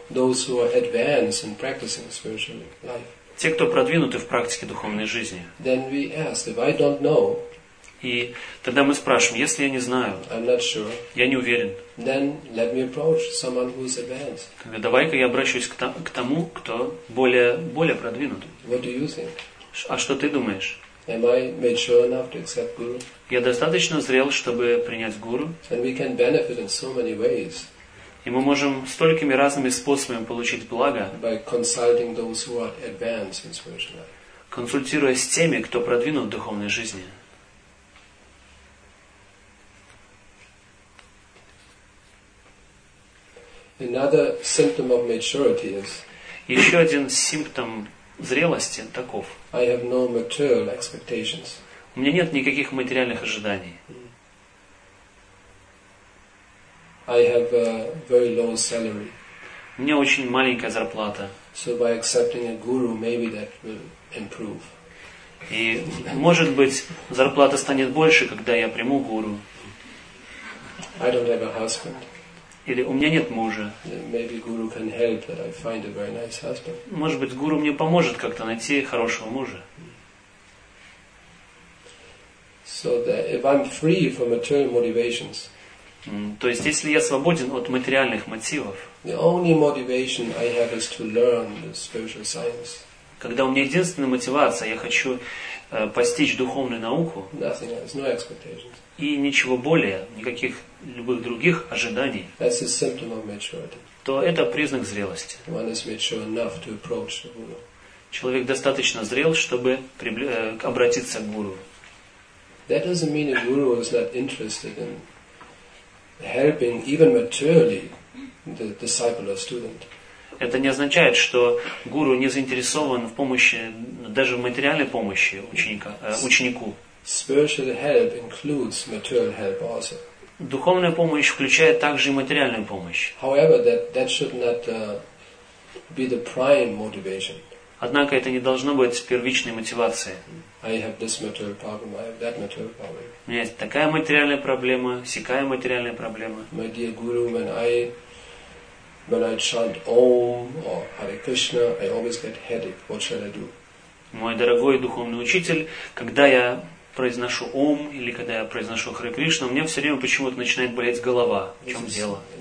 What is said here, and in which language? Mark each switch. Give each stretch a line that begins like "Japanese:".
English: those who are advanced in practicing spiritual life.
Russian: Те, кто продвинуты в практике духовной жизни.
English: Then we ask, if I don't know,
Russian: и тогда мы спрашиваем, если я не знаю,
English: sure,
Russian: я не уверен,
English: then let me approach someone who is advanced.
Russian: Давай-ка я обращусь к тому, кто более продвинут.
English: What do you think?
Russian: А что ты думаешь?
English: Am I mature enough to accept guru?
Russian: Я достаточно зрел, чтобы принять гуру?
English: And we can benefit in so many ways.
Russian: И мы можем столькими разными способами получить благо,
English: by consulting those who are advanced in spiritual life.
Russian: Консультируясь с теми, кто продвинут в духовной жизни.
English: Another symptom of maturity is.
Russian: Еще один симптом зрелости таков.
English: I have no material expectations.
Russian: У меня нет никаких материальных ожиданий.
English: I have a very low salary.
Russian: У меня очень маленькая зарплата.
English: So by accepting a guru, maybe that will improve.
Russian: И может быть зарплата станет больше, когда я приму гуру.
English: I don't have a husband.
Russian: Или у меня нет мужа.
English: Maybe guru can help that I find a very nice husband.
Russian: Может быть, гуру мне поможет как-то найти хорошего мужа.
English: So that if I'm free from material motivations.
Russian: То есть, если я свободен от материальных мотивов.
English: The only motivation I have is to learn the spiritual science.
Russian: Когда у меня единственная мотивация, я хочу постичь духовную науку.
English: Nothing else, no expectations.
Russian: И ничего более, никаких любых других ожиданий,
English: that's a symptom of maturity.
Russian: То это признак зрелости.
English: One is mature enough to approach the guru.
Russian: Человек достаточно зрел, чтобы обратиться к гуру.
English: That doesn't mean a guru is not interested in helping even materially the disciple or student.
Russian: Это не означает, что гуру не заинтересован в помощи, даже в материальной помощи ученику.
English: Spiritual help includes material help also.
Russian: Духовная помощь включает также и материальную помощь.
English: However, that should not be the prime motivation.
Russian: Однако это не должно быть первичной мотивацией.
English: I have this material problem, I have that material problem.
Russian: У меня есть такая материальная проблема, сякая материальная проблема.
English: My dear guru, when I chant Om or Hare Krishna, I always get headache. What shall I do?
Russian: Мой дорогой духовный учитель, когда я произношу Ом или когда я произношу Харе Кришна, у меня все время почему-то начинает болеть голова. В чем дело?